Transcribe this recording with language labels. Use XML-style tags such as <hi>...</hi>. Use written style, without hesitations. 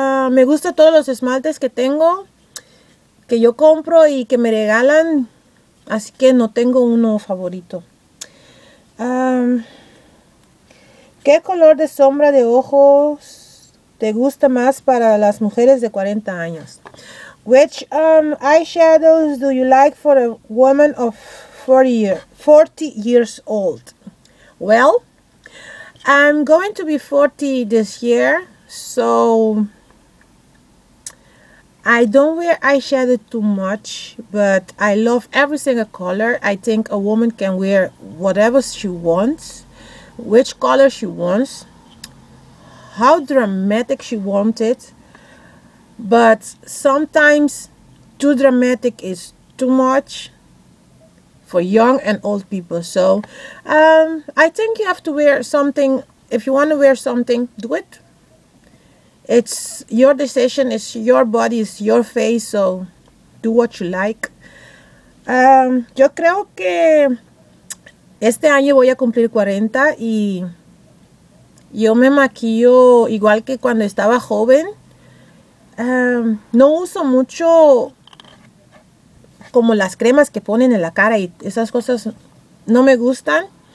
<es>Me gusta todos los esmaltes que tengo, que yo compro y que me regalan. Así que no tengo uno favorito. ¿Qué color de sombra de ojos te gusta más para las mujeres de 40 años?</es> <en>Which eyeshadows do you like for a woman of 40 years old? Well, I'm going to be 40 this year, so I don't wear eyeshadow too much, but I love every single color. I think a woman can wear whatever she wants, which color she wants, how dramatic she wants it. But sometimes too dramatic is too much for young and old people. So I think you have to wear something. If you want to wear something, do it. It's your decision, it's your body, it's your face, so do what you like.</en> <es>Yo creo que este año voy a cumplir 40 y yo me maquillo igual que cuando estaba joven. No uso mucho como las cremas que ponen en la cara y esas cosas no me gustan.</es>